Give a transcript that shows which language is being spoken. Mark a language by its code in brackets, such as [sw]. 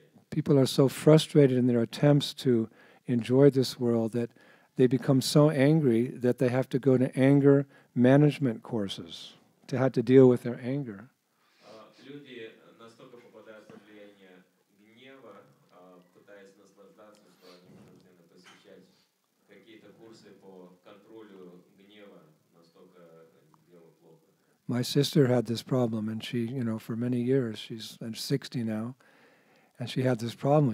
[en] People are so frustrated in their attempts to enjoy this world that they become so angry that they have to go to anger management courses to have to deal with their anger. [ru] Люди настолько попадают под влияние гнева, пытаясь наслаждаться, что они вынуждены посещать какие-то курсы по контролю гнева, настолько дело плохо. [en] My sister had this problem, and she, you know, for many years, she's 60 now, and she had this problem.